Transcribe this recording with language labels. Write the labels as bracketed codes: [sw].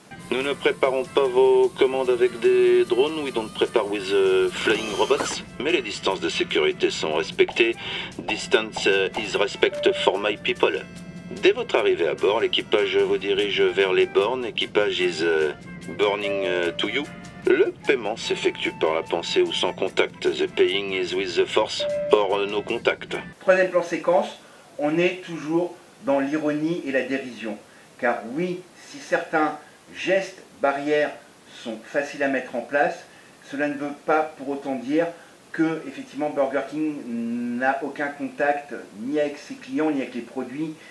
[fr] Nous ne préparons pas vos commandes avec des drones, [en] we don't prepare with flying robots, [fr] mais les distances de sécurité sont respectées, [en] distance is respect for my people. [fr] Dès votre arrivée à bord, l'équipage vous dirige vers les bornes, équipage [en] is burning to you. [fr] Le paiement s'effectue par la pensée ou sans contact. [en] The paying is with the force, or no contact. [fr] Troisième plan séquence, on est toujours dans l'ironie et la dérision. Car oui, si certains gestes barrières sont faciles à mettre en place. Cela ne veut pas pour autant dire que effectivement Burger King n'a aucun contact ni avec ses clients ni avec les produits.